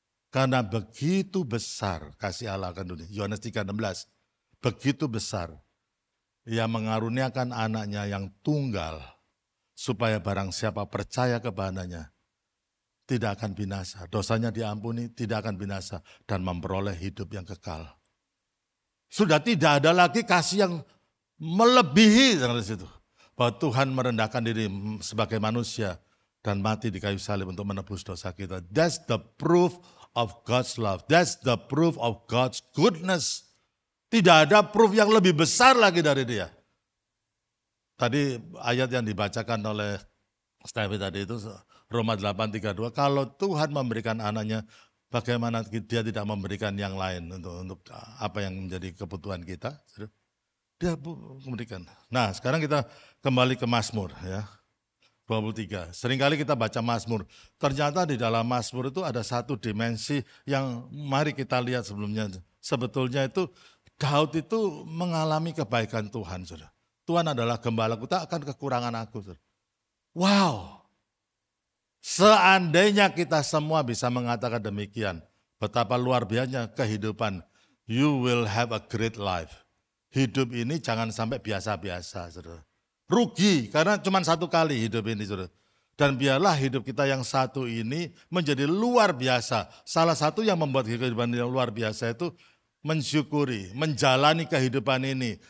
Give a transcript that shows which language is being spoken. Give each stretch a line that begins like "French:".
Indonesian: Karena begitu besar kasih Allah akan dunia, Yohanes 3:16, begitu besar ia mengaruniakan anaknya yang tunggal supaya barang siapa percaya kepadanya tidak akan binasa, dosanya diampuni, tidak akan binasa, dan memperoleh hidup yang kekal. Sudah tidak ada lagi kasih yang melebihi dari situ. Bahwa Tuhan merendahkan diri sebagai manusia dan mati di kayu salib untuk menebus dosa kita.
English: That's the proof of God's love. That's the proof of God's goodness.
Indonesian: Tidak ada proof yang lebih besar lagi dari dia. Tadi ayat yang dibacakan oleh Stevie tadi itu, Roma 8:32, kalau Tuhan memberikan anaknya, bagaimana dia tidak memberikan yang lain untuk apa yang menjadi kebutuhan kita? Dia memberikan. Nah, sekarang kita kembali ke Mazmur ya. 23. Seringkali kita baca Mazmur, ternyata di dalam Mazmur itu ada satu dimensi yang mari kita lihat sebelumnya. Sebetulnya itu Daud itu mengalami kebaikan Tuhan, saudara. Tuhan adalah gembalaku, tak akan kekurangan aku. Wow. Seandainya kita semua bisa mengatakan demikian, betapa luar biasanya kehidupan.
English: You will have a great life.
Indonesian: Hidup ini jangan sampai biasa-biasa, saudara. Rugi, karena cuma satu kali hidup ini, saudara. Dan biarlah hidup kita yang satu ini menjadi luar biasa. Salah satu yang membuat kehidupan yang luar biasa itu mensyukuri, menjalani kehidupan ini.